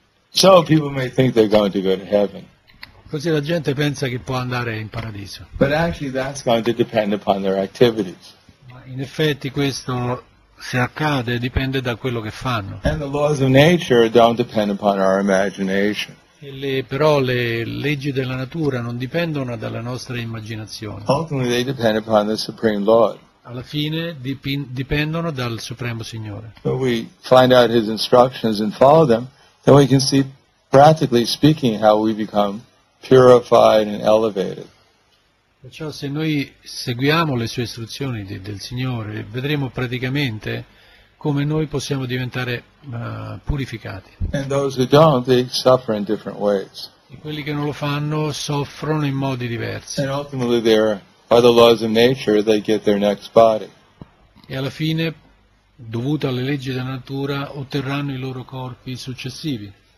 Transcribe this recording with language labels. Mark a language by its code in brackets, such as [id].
[en] So people may think they're going to go to heaven. [it] Così la gente pensa che può andare in paradiso. [en] But actually that's going to depend upon their activities. [it] Ma in effetti questo, se accade, dipende da quello che fanno. [en] And the laws of nature don't depend upon our imagination. [it] Però le leggi della natura non dipendono dalla nostra immaginazione. [en] Ultimately they depend upon the Supreme Lord. [it] Alla fine dipendono dal Supremo Signore. [en] So we find out His instructions and follow them. Then we can see, practically speaking, how we become purified and elevated. [it] Perciò se noi seguiamo le sue istruzioni del Signore, vedremo praticamente come noi possiamo diventare purificati. [en] And those who don't, they suffer in different ways. [it] E quelli che non lo fanno soffrono in modi diversi. [en] And ultimately, there are the laws of nature; they get their next body. [it] E alla fine, dovuto alle leggi della natura, otterranno i loro corpi successivi.